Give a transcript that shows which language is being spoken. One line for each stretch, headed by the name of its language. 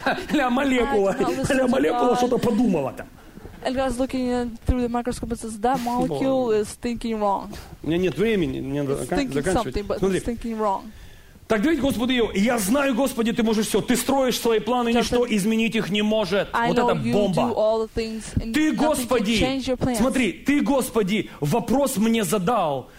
Russian: Ля молекула что-то подумала там.
English: And God's looking through the microscope and says that molecule is thinking wrong.
Russian: У меня нет времени, мне надо заканчивать.
English: Thinking wrong.
Russian: Так говорит Господи Иов, я знаю, Господи, ты можешь все. Ты строишь свои планы, ничто изменить их не может. Вот это бомба. Ты, Господи, смотри, ты, Господи, вопрос мне задал.